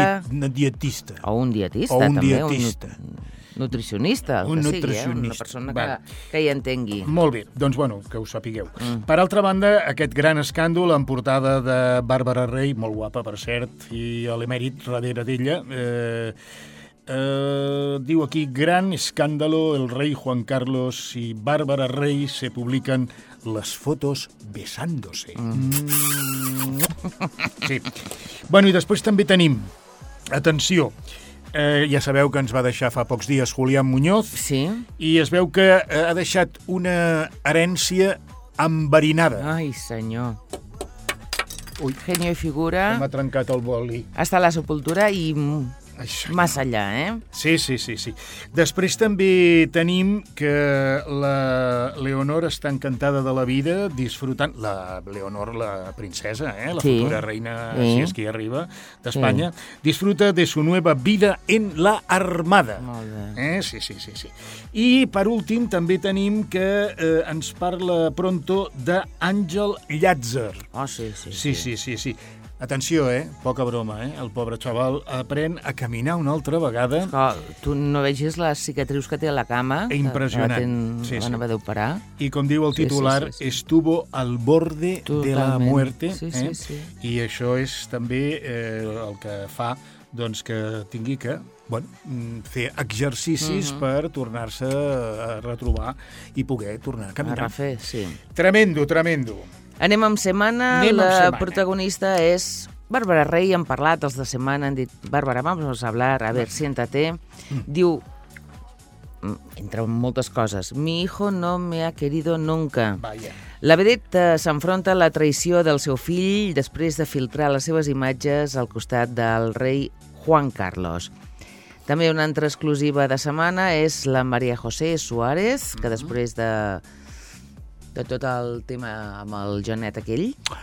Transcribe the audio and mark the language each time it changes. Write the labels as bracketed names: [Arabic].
[Catalan] Una dietista. O un dietista. Un nutricionista. Una persona que hi entengui. Molt bé, doncs bueno, que ho sapigueu. Per altra banda, aquest gran escàndol en portada de Bàrbara Rey, molt guapa, per cert, i l'emèrit darrere d'ella... diu aquí, [Spanish] gran escándalo, el rei Juan Carlos y Bárbara Rey se publican las fotos besándose. [Catalan] Sí. Bueno, i després també tenim, atenció, ja sabeu que ens va deixar fa pocs dies Julián Muñoz. Sí. I es veu que ha deixat una herència enverinada. Ai, senyor. Ui. [Spanish] Genio y figura. [Catalan] M'ha trencat el boli. [Spanish] Hasta la sepultura y... [Catalan] Això... Massa allà, eh? Sí, sí, sí, sí. Després també tenim que la Leonor està encantada de la vida, disfrutant... La Leonor, la princesa, eh? La futura reina, si és qui arriba, d'Espanya. Sí. [Spanish] Disfruta de su nueva vida en la Armada. [Catalan] Molt bé. Eh? Sí, sí, sí, sí. I, per últim, també tenim que ens parla pronto d'Àngel Llàtzer. Oh, sí, sí. Sí, sí, sí, sí. Sí. Atenció, poca broma, el pobre xaval aprèn a caminar una altra vegada. Tu no vegis les cicatrius que té a la cama? Impressionant. Que la anava d'operar. I com diu el titular, [Spanish] estuvo al borde de la muerte. [Catalan] Sí, sí, sí. I això és també el que fa doncs, que tingui que fer exercicis per tornar-se a retrobar i poder tornar a caminar. A refer, sí. [Spanish] Tremendo, tremendo. [Catalan] Anem amb Setmana. Protagonista és Bàrbara Rey. Hem parlat els de Setmana, han dit, Bàrbara, [Spanish] vamos a hablar, a ver, siéntate. [Catalan] Diu, entre moltes coses, [Spanish] mi hijo no me ha querido nunca. Vaya. [Catalan] La vedette s'enfronta a la traïció del seu fill després de filtrar les seves imatges al costat del rei Juan Carlos. També una altra exclusiva de Setmana és la María José Suárez, que després de... de tot el tema amb el Jonet aquell.